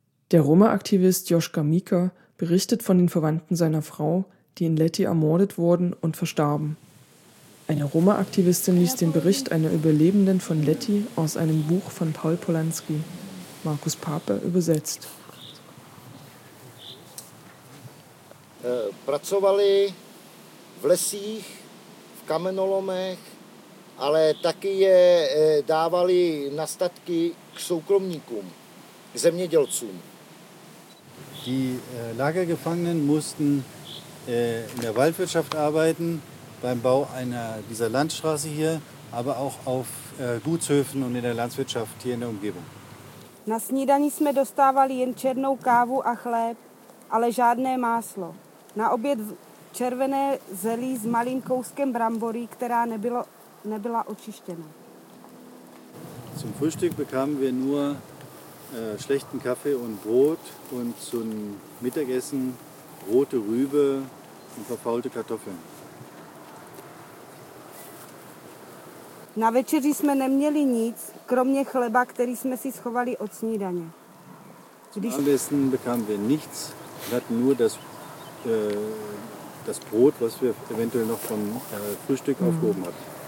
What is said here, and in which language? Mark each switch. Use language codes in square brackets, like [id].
[de] Der Roma-Aktivist Joschka Mika berichtet von den Verwandten seiner Frau, die in Letti ermordet wurden und verstarben. Eine Roma-Aktivistin liest den Bericht einer Überlebenden von Letti aus einem Buch von Paul Polanski, Markus Pape übersetzt. [cs] Pracovali v lesích, v kamenolomech, ale taky je dávali na statky k soukromníkům, k zemědělcům. [de] Die Lagergefangenen mussten in der Waldwirtschaft arbeiten, beim Bau einer dieser Landstraße hier, aber auch auf Gutshöfen und in der Landwirtschaft hier in der Umgebung. [cs] Na snídani jsme dostávali jen černou kávu a chléb, ale žádné máslo. Na oběd červené zelí s malým kouskem brambory, která nebyla očištěna. [de] Zum Frühstück bekamen wir nur schlechten Kaffee und Brot und zum Mittagessen rote Rübe und verfaulte Kartoffeln. [cs] Na večeři jsme neměli nic, kromě chleba, který jsme si schovali od snídaně. Když... [de] Am besten bekamen wir nichts, wir hatten nur das Brot, was wir eventuell noch vom Frühstück aufgehoben hatten.